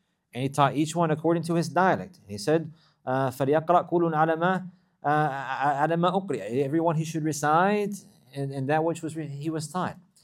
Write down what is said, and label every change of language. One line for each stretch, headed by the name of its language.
English: He taught each one according to his dialect. And he said,
Arabic: فَلْيَقْرَأْ كُلٌ عَلَمَا أُقْرِيَ.
English: Everyone, he should recite in that which he was taught.